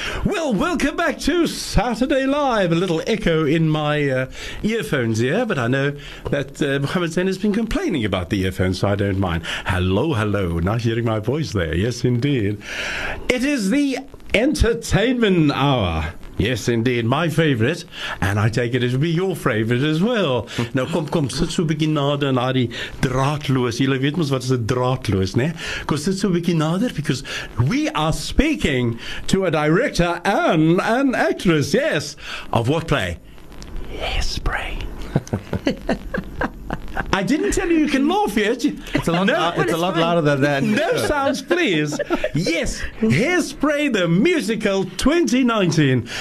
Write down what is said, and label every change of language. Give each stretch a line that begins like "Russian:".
English: Well, welcome back to Saturday Live. A little echo in my earphones here, but I know that Mohammed Zain has been complaining about the earphones, so I don't mind. Hello. Nice hearing my voice there. Yes, indeed. It is the Entertainment Hour. Yes, indeed, my favorite, and I take it it'll be your favorite as well.
Afrikaans: Nou kom sit so 'n bietjie nader na die draadloos. Jy weet mos wat is 'n draadloos, né? Kom sit so 'n bietjie nader
English: because we are speaking to a director and an actress, yes, of what play? Yes, Bray. I didn't tell you you can laugh yet. It's a lot louder than that. No sounds, please. Yes, Hairspray the Musical 2019.